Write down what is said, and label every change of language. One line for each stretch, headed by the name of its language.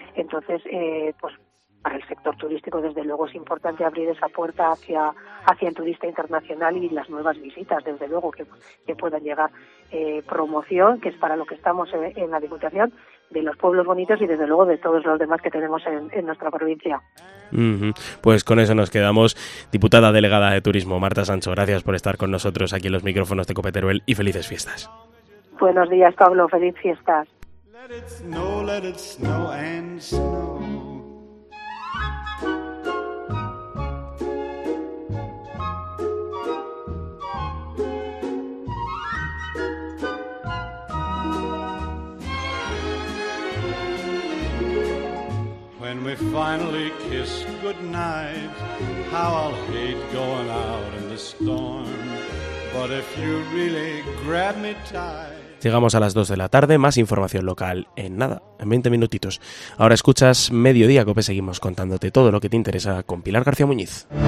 Spanish: Entonces, pues para el sector turístico desde luego es importante abrir esa puerta hacia el turista internacional y las nuevas visitas desde luego que puedan llegar, promoción, que es para lo que estamos en la Diputación, de los pueblos bonitos y desde luego de todos los demás que tenemos en nuestra provincia. Uh-huh. Pues con eso nos quedamos. Diputada delegada de Turismo, Marta Sancho, gracias por estar con nosotros aquí en los micrófonos de COPE Teruel y felices fiestas. Buenos días, Pablo. Feliz fiestas.
English: Let it snow, let it snow and snow. When we finally kiss goodnight, how I'll hate going out in the storm. But if you really grab me tight.
Spanish: Llegamos a las 2 de la tarde, más información local en nada, en 20 minutitos. Ahora escuchas Mediodía COPE, seguimos contándote todo lo que te interesa con Pilar García Muñiz.